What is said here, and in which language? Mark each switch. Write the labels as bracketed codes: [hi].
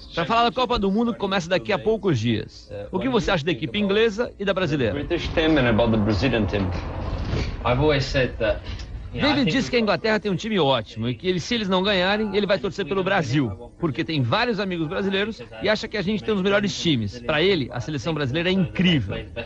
[pt] Para falar da Copa do Mundo, que começa daqui a poucos dias. O que você acha da equipe inglesa e da brasileira? [en] British team and about the Brazilian team. I've always said that... [pt] David disse que a Inglaterra tem um time ótimo e que se eles não ganharem, ele vai torcer pelo Brasil, porque tem vários amigos brasileiros e acha que a gente tem os melhores times. Para ele, a seleção brasileira é incrível.